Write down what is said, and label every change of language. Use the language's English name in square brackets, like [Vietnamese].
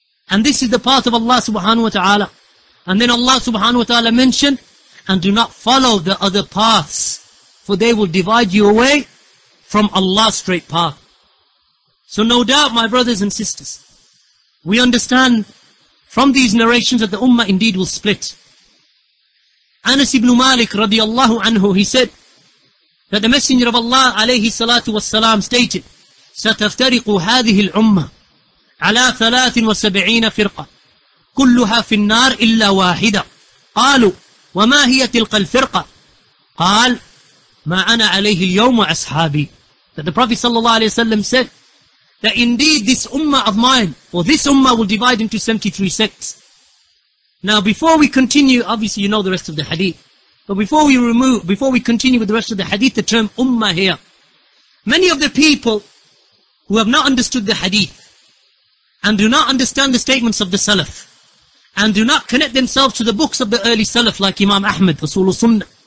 [English] And this is the path of Allah subhanahu wa ta'ala. And then Allah subhanahu wa ta'ala mentioned, and do not follow the other paths, for they will divide you away from Allah's straight path. So no doubt, my brothers and sisters, we understand from these narrations that the ummah indeed will split. [Arabic] Anas ibn Malik radiallahu anhu, he said, that the Messenger of Allah alayhi salatu wasalam stated, ستفترق هذه الأمة على 73 فرقة كلها في النار إلا واحدة قالوا وما هي تلك الفرقة قال ما أنا عليه اليوم وأصحابي. [English] That the Prophet sallallahu alayhi wa sallam said that indeed this ummah of mine, or this ummah, will divide into 73 sects. Now before we continue, obviously you know the rest of the hadith, but before we continue with the rest of the hadith, the term ummah here, many of the people who have not understood the hadith and do not understand the statements of the Salaf and do not connect themselves to the books of the early Salaf like Imam Ahmad, Usul Sunnah,